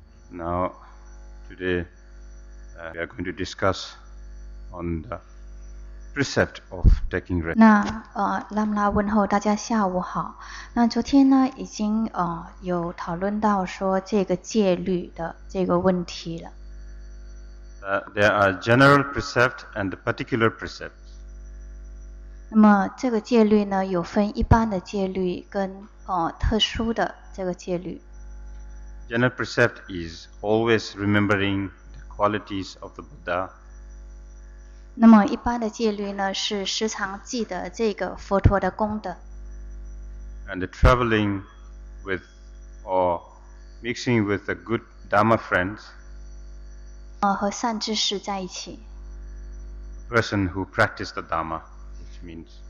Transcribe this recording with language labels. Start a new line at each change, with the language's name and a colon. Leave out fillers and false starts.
English: Now, today we are going to discuss on the precept of taking rest.
Chinese: 那拉姆拉问候大家下午好。那昨天呢已经有讨论到说这个戒律的这个问题了。
English: There are general precepts and particular precepts.
Chinese: 那么这个戒律呢有分一般的戒律跟特殊的这个戒律。
English: General precept is always remembering the qualities of the Buddha.
Chinese: 那么一般的戒律呢，是时常记得这个佛陀的功德。
English: And traveling with or mixing with a good Dharma friends.
Chinese: 和善知识在一起。
English: A person who practices the Dharma, which means.